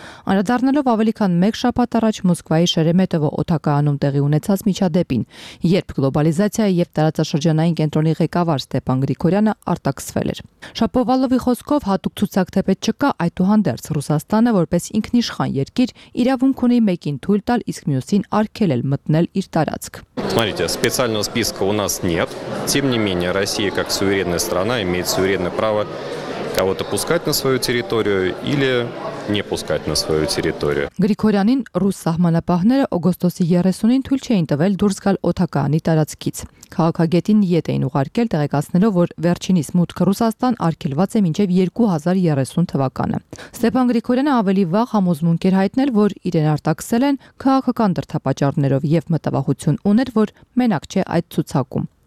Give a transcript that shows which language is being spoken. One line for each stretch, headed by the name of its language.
Armenian: Անդրադառնալով ավելի քան մեկ շաբաթ առաջ Մոսկվայի Շերեմետովո օդակայանում տեղի ունեցած միջադեպին, երբ գլոբալիզացիայի և տարածաշրջանային կենտրոնի ղեկավար Ստեփան Գրիգորյանը արտաքսվել էր։ Շապովալովի խոսքով հատուկ ցուցակ թեպետ չկա, այդուհանդերձ Ռուսաստանը որպես ինքնիշխան երկիր իրավունք ունի մեկին թույլ տալ, իսկ մյուսին արգելել մտնել իր տարածք։
Russian: Смотрите, специального списка у нас нет. Тем не менее, Россия как суверенная страна имеет суверенное право кого-то пускать на свою территорию или не пускать на свою территорию.
Armenian: Գրիգորյանին ռուս սահմանապահները օգոստոսի 30-ին թույլ չէին տվել դուրս գալ օթակայանի տարածքից։ Քաղաքագետին ետ էին ուղարկել տեղեկացնելով, որ վերջինիս մուտքը Ռուսաստան արգելված է մինչև 2030 թվականը։ Ստեփան Գրիգորյանը ավելի վաղ համոզմունք էր հայտնել, որ իրեն արտաքսել են քաղաքական դրդապատճառներով և մտավախություն ուներ, որ մենակ չէ այդ ցուցակում։